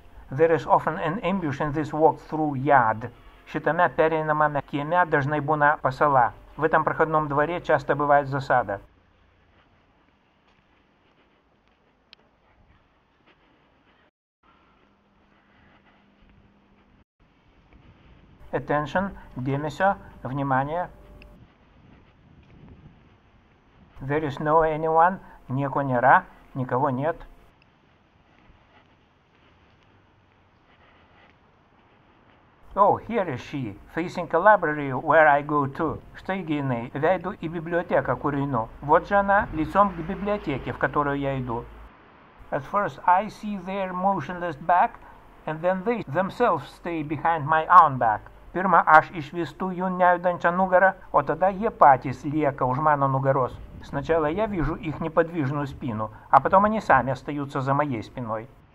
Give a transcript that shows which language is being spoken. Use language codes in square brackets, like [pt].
[en] There is often an ambush in this walk-through yard. [lt] Šitame pereinamame kieme dažnai būna pasala. [ru] В этом проходном дворе часто бывает засада. [en] Attention, [lt] dėmesio, [ru] внимание. [en] There is no anyone, [lt] nieko nėra, [ru] никого нет. [en] Oh, here is she, facing a library where I go to. [lt] Štai jinai, veidu į biblioteką, kur einu. [ru] Вот же она, лицом к библиотеке, в которую я иду. [en] At first I see their motionless back, and then they themselves stay behind my own back. [lt] Pirma, aš išvystu jų nejudančią nugarą, o tada jie patys lieka už mano nugaros. [ru] Сначала я вижу их неподвижную спину, а потом они сами остаются за моей спиной.